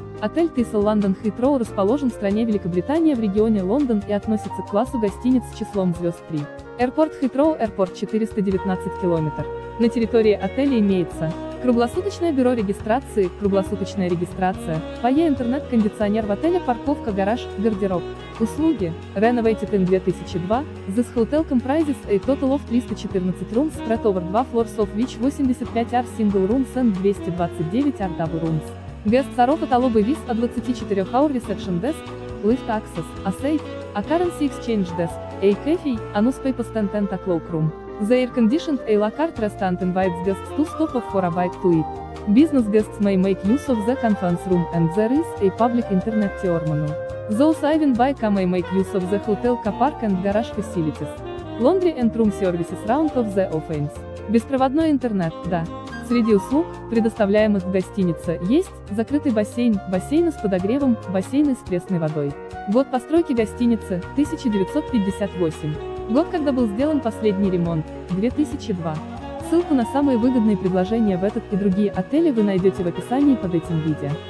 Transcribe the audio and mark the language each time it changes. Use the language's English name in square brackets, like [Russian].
[Russian] Отель Thistle London Heathrow расположен в стране Великобритания в регионе Лондон и относится к классу гостиниц с числом звезд 3. [English] Airport Heathrow Airport 419 км. [Russian] На территории отеля имеется круглосуточное бюро регистрации, круглосуточная регистрация, фойе, интернет, кондиционер в отеле, парковка, гараж, гардероб. [English] Услуги: Renovated in 2002, This Hotel comprises a total of 314 rooms spread over 2 floors of which 85 are single rooms and 229 are double rooms. Guests are of a lobby with a 24-hour reception desk, lift access, a safe, a currency exchange desk, a cafe, a newspaper stand and a cloakroom. The air-conditioned a la carte restaurant invites guests to stop off for a bite to eat. Business guests may make use of the conference room and there is a public internet terminal. Those arriving by car may make use of the hotel car park and garage facilities. Laundry and room services round of the offerings. [Russian] Беспроводной интернет, да. Среди услуг, предоставляемых в гостинице, есть закрытый бассейн, бассейны с подогревом, бассейны с пресной водой. Год постройки гостиницы – 1958. Год, когда был сделан последний ремонт – 2002. Ссылку на самые выгодные предложения в этот и другие отели вы найдете в описании под этим видео.